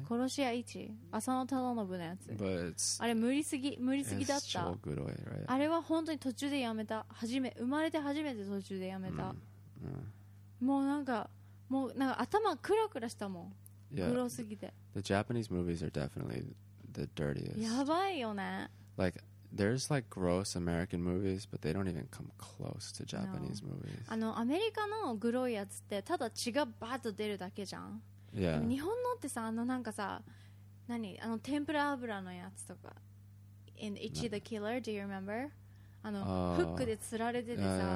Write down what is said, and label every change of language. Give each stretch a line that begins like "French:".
Japanese: 殺し屋 Ichi. 浅野忠信のやつ。
English: But it's,
Japanese: あれ無理すぎだった。超グロい、
English: right?
Japanese: あれは本当に途中でやめた。生まれて初めて途中でやめた。もうなんか頭クラクラしたもん。
English: Yeah.
Japanese: グロすぎて。
English: The Japanese movies are definitely the dirtiest.
Japanese: やばいよね。
English: Like,There's like gross American movies, but they don't even come close to Japanese movies.
Japanese: あのアメリカのグロいやつってただ血がバッと出るだけじゃん。
English: Yeah.
Japanese: 日本のってさあのなんかさ何あの天ぷら油のやつとか
English: In Ichi the Killer, do you remember?
Japanese: あの、フックで吊られててさ